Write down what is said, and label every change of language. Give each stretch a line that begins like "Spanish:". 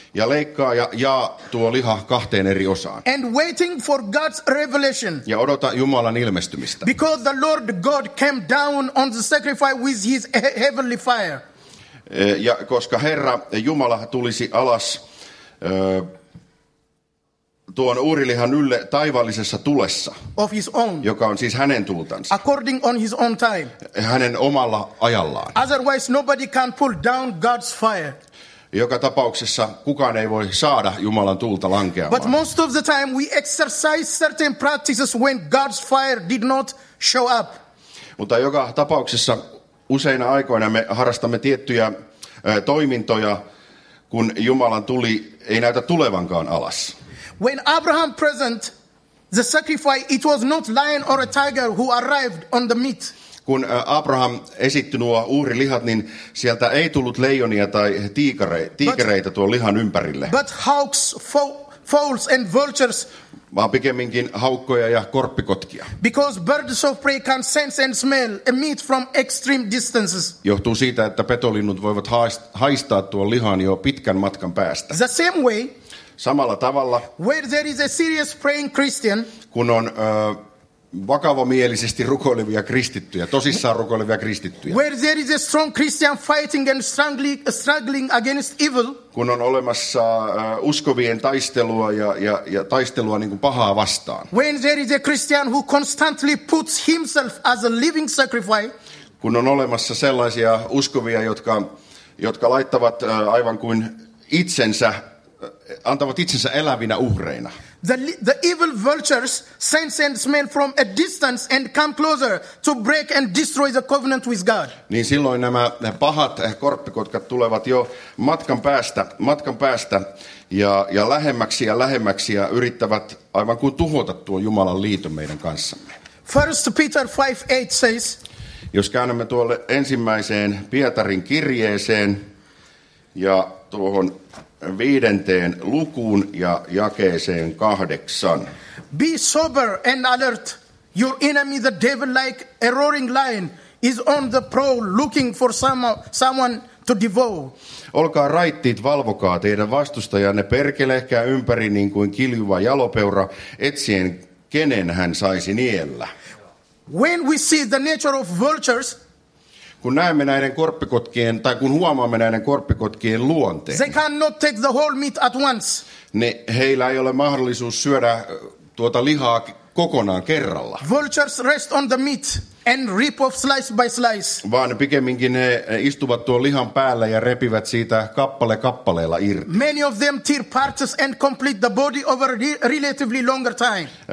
Finnish: Ja leikkaa ja jaa tuo liha kahteen eri osaan.
English: And waiting for God's revelation.
Finnish: Ja odota Jumalan ilmestymistä.
English: Because the Lord God came down on the sacrifice with his heavenly fire.
Finnish: Ja koska Herra Jumala tulisi alas tuon uurilihan ylle taivaallisessa tulessa,
English: of his own,
Finnish: joka on siis hänen tultansa,
English: according on his own time,
Finnish: hänen omalla ajallaan.
English: Otherwise nobody can pull down God's fire.
Finnish: Joka tapauksessa kukaan ei voi saada Jumalan tulta lankeamaan.
English: But most of the time we exercise certain practices when God's fire did not show up.
Finnish: Mutta joka tapauksessa useina aikoina me harrastamme tiettyjä toimintoja, kun Jumalan tuli ei näytä tulevankaan alas.
English: When Abraham present the sacrifice, it was not lion or a tiger who arrived on the meat.
Finnish: Kun Abraham esitti nuo uhrilihat, niin sieltä ei tullut leijonia tai tiikereitä tuon lihan ympärille.
English: But hawks, fowls and vultures.
Finnish: Vaan pikemminkin haukkoja ja korppikotkia.
English: Because birds of prey can sense and smell a meat from extreme distances.
Finnish: Johtuu siitä, että petolinnut voivat haistaa tuon lihan jo pitkän matkan päästä.
English: The same way.
Finnish: Samalla tavalla,
English: where there is a serious praying Christian,
Finnish: kun on vakavamielisesti rukoilevia kristittyjä, tosissaan rukoilevia kristittyjä,
English: where there is a strong Christian fighting and struggling against evil,
Finnish: kun on olemassa uskovien taistelua ja taistelua niin kuin pahaa vastaan,
English: when there is a Christian who constantly puts himself as a living sacrifice,
Finnish: kun on olemassa sellaisia uskovia, jotka laittavat aivan kuin itsensä, antavat itsensä elävinä uhreina.
English: The evil vultures sense and smell from a distance and come closer to break and destroy the covenant with God.
Finnish: Niin silloin nämä pahat korppikotkat tulevat jo matkan päästä ja lähemmäksi ja yrittävät aivan kuin tuhota tuon Jumalan liiton meidän kanssamme.
English: 1 Peter 5:8 says.
Finnish: Jos käännämme tuolle ensimmäiseen Pietarin kirjeeseen ja tuohon viidenteen lukuun ja jakeeseen 8.
English: Be sober and alert. Your enemy, the devil, like a roaring lion, is on the prowl looking for someone to devour.
Finnish: Olkaa raittiit, valvokaa teidän vastustajanne, perkelehkää ympäri niin kuin kiljuva jalopeura, etsien kenen hän saisi niellä.
English: When we see the nature of vultures,
Finnish: kun näemme näiden korppikotkien, tai kun huomaamme näiden korppikotkien luonteen,
English: they cannot take the whole meat at once.
Finnish: Niin heillä ei ole mahdollisuus syödä tuota lihaa kokonaan kerralla.
English: Vultures rest on the meat and rip off slice by slice.
Finnish: Vaan pikemminkin he istuvat tuon lihan päällä ja repivät siitä kappale kappaleella irti.
English: Many of them tear parts and complete the body over relatively longer time.